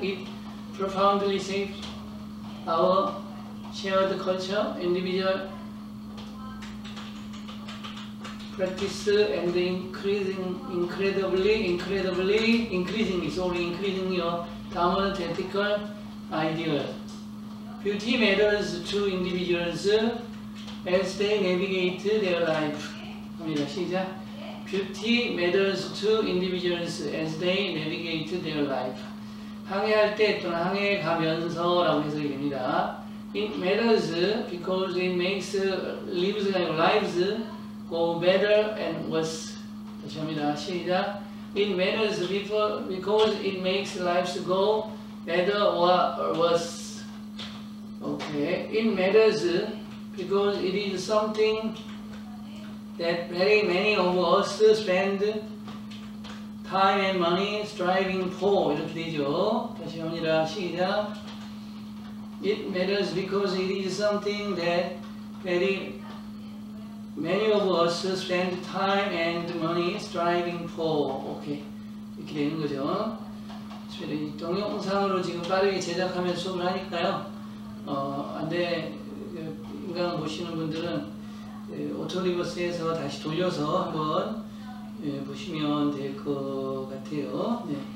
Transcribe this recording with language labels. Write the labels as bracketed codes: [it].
[en] It profoundly shapes our shared culture, individual practice, and increasingly your dominant ethical ideal. Beauty matters to individuals as they navigate their life. [ko] 합니다. 시작. [en] Beauty matters to individuals as they navigate their life. [ko] 항해할 때 또는 항해 가면서라고 해석이 됩니다. [en] It matters because it makes lives go better and worse. [ko] 다시 합니다. 시작. [en] It matters because it makes lives go better or worse. Okay. It matters because it is something that very many of us spend time and money striving for. [ko] 이렇게 되죠. 다시 합니다. 시작. [en] It matters because it is something that very many of us spend time and money striving for. [ko] Okay. 이렇게 되는 거죠. 동영상으로 지금 빠르게 제작하면서 수업을 하니까요. 인강을 보시는 분들은 오토리버스에서 다시 돌려서 한번 보시면 될 것 같아요. 네.